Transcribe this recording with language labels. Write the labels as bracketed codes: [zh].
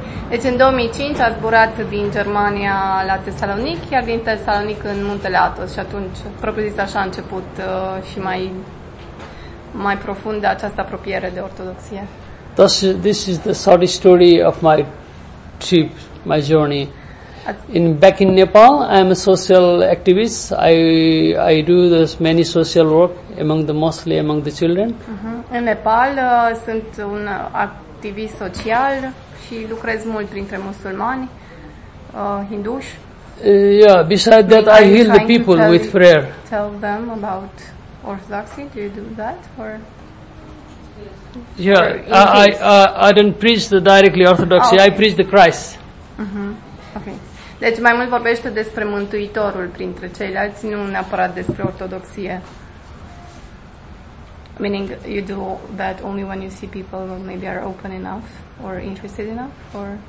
[ro] Deci în 2005 a zburat din Germania la Thessalonic, iar din Thessalonic în Muntele Athos și atunci, propriu zis, așa a început și mai profund de această apropiere de ortodoxie. [en] This is the sad story of my trip. My journey. Back in Nepal, I am a social activist. I do this many social work among the mostly among the children. Uh-huh. In Nepal, [ro] sunt un activist social și lucrez mult printre musulmani, hinduși. [en] Besides that, I heal the people with prayer. Tell them about Orthodoxy. Do you do that or? Yeah, I don't preach the directly Orthodoxy. Oh, okay. I preach the Christ. Uh-huh. Okay. [ro] Deci mai mult vorbește despre Mântuitorul printre ceilalți, nu neapărat despre ortodoxie. [en] Meaning you do that only when you see people who maybe are open enough or interested enough or